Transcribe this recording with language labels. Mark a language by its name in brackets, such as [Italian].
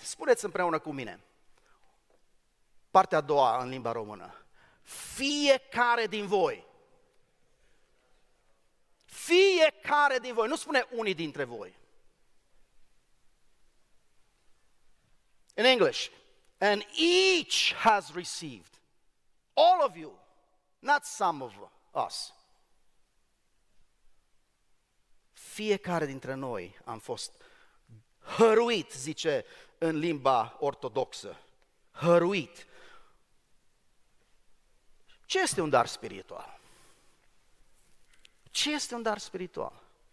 [Romanian] Spuneți împreună cu mine. Partea a doua în limba română. Fiecare din voi. Fiecare din voi. Nu spune unii dintre voi. [English] In English, And each has received, all of you, not some of us. [Romanian] Fiecare dintre noi am fost hăruit, zice în limba ortodoxă, hăruit. Ce este un dar spiritual? Ce este un dar spiritual?